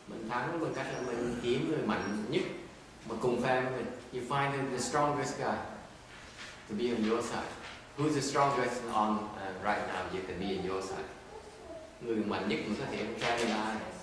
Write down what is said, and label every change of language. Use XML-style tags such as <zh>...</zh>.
<vi>Thắng bằng cách là mình kiếm người mạnh nhất mà cùng phe với mình.</vi> <en>You find the strongest guy to be on your side. Who's the strongest on right now you can be on your side?</en> <vi>Người mạnh nhất mình có thể cùng phe với ai?</vi>